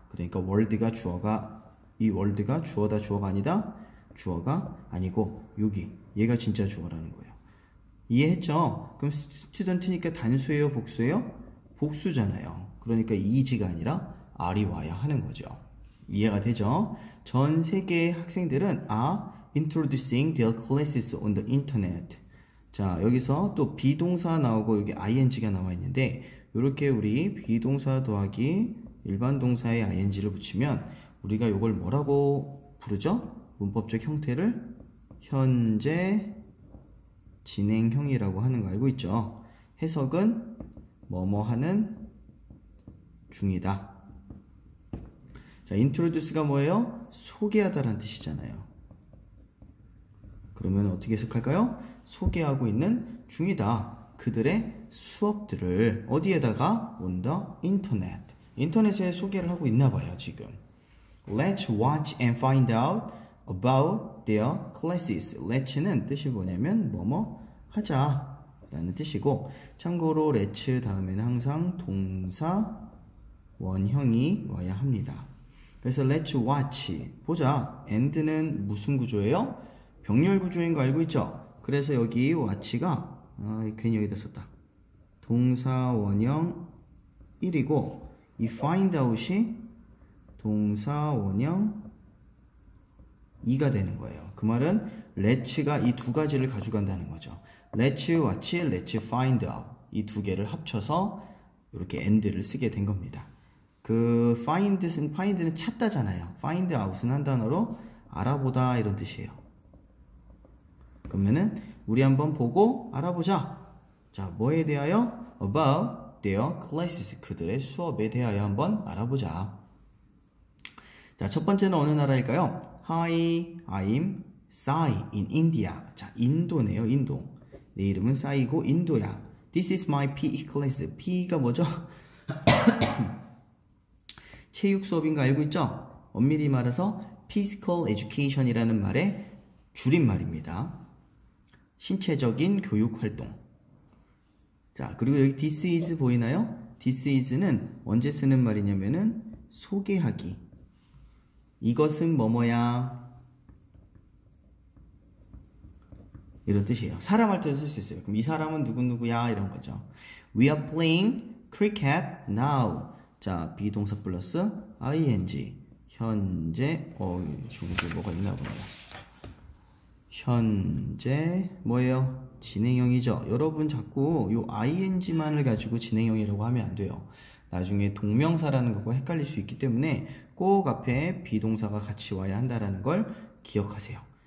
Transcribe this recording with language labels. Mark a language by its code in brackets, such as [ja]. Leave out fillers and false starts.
[ko] 그러니까 world가 주어가 이 world가 주어다 주어가 아니다. 주어가 아니고 여기 얘가 진짜 주어라는 거예요. 이해했죠? 그럼 student니까 단수예요, 복수예요? 복수잖아요. 그러니까 is가 아니라 are이 와야 하는 거죠. 이해가 되죠? 전 세계의 학생들은 [en] are introducing their classes on the internet. [ko] 자, 여기서 또 비동사 나오고 여기 ing가 나와 있는데 이렇게 우리 비동사 더하기 일반 동사에 ing를 붙이면 우리가 이걸 뭐라고 부르죠? 문법적 형태를 현재 진행형이라고 하는 거 알고 있죠? 해석은 뭐뭐 하는 중이다. 자, introduce가 뭐예요? 소개하다라는 뜻이잖아요. 그러면 어떻게 해석할까요? 소개하고 있는 중이다. 그들의 수업들을 어디에다가? [en] On the internet. [ko] 인터넷에 소개를 하고 있나 봐요, 지금. [en] Let's watch and find out about their classes. [ko] Let's는 뜻이 뭐냐면 뭐뭐 하자라는 뜻이고, 참고로 let's 다음에는 항상 동사 원형이 와야 합니다. 그래서 let's watch. 보자. and는 무슨 구조예요? 병렬 구조인 거 알고 있죠? 그래서 여기 watch가, 아, 괜히 여기다 썼다. 동사 원형 1이고, 이 find out이 동사 원형 2가 되는 거예요. 그 말은 let's가 이두 가지를 가져간다는 거죠. [en] let's watch, let's find out. [ko] 이두 개를 합쳐서 이렇게 and를 쓰게 된 겁니다. 그 find는 찾다잖아요. find out은 한 단어로 알아보다 이런 뜻이에요. 그러면은 우리 한번 보고 알아보자. 자, 뭐에 대하여? [en] About their classes. [ko] 그들의 수업에 대하여 한번 알아보자. 자, 첫 번째는 어느 나라일까요? [en] Hi, I'm Sai in India. [ko] 자, 인도네요, 인도. 내 이름은 싸이고 인도야. [en] This is my PE class. [ko] PE가 뭐죠? 체육 수업인 거 알고 있죠? 엄밀히 말해서 physical education이라는 말의 줄임말입니다. 신체적인 교육 활동. 자, 그리고 여기 this is 보이나요? this is는 언제 쓰는 말이냐면은 소개하기. 이것은 뭐뭐야? 이런 뜻이에요. 사람 할 때도 쓸수 있어요. 그럼 이 사람은 누구누구야? 이런 거죠. [en] We are playing cricket now. [ko] 자, 비동사 플러스 ing 현재 중국에 뭐가 있나 보네요. 현재 뭐예요? 진행형이죠. 여러분 자꾸 요 ing만을 가지고 진행형이라고 하면 안 돼요. 나중에 동명사라는 거 헷갈릴 수 있기 때문에 꼭 앞에 비동사가 같이 와야 한다라는 걸 기억하세요.